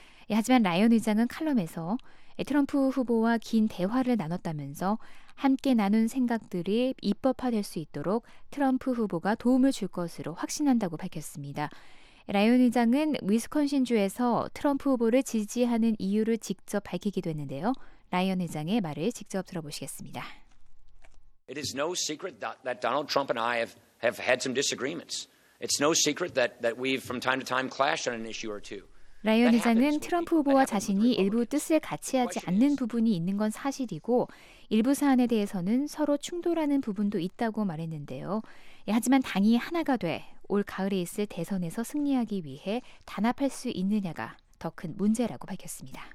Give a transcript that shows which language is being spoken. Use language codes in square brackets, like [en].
[ko] 하지만 라이언 의장은 칼럼에서 트럼프 후보와 긴 대화를 나눴다면서 함께 나눈 생각들이 입법화될 수 있도록 트럼프 후보가 도움을 줄 것으로 확신한다고 밝혔습니다. 라이언 의장은 위스콘신주에서 트럼프 후보를 지지하는 이유를 직접 밝히기도 했는데요. 라이언 의장의 말을 직접 들어보시겠습니다. [en] It is no secret that Donald Trump and I have had some disagreements. It's no secret that we've from time to time clashed on an issue or two. [ko] 라이언 의장은 트럼프 후보와 자신이 일부 뜻을 같이 하지 않는 부분이 있는 건 사실이고 일부 사안에 대해서는 서로 충돌하는 부분도 있다고 말했는데요. 하지만 당이 하나가 돼 올 가을에 있을 대선에서 승리하기 위해 단합할 수 있느냐가 더 큰 문제라고 밝혔습니다.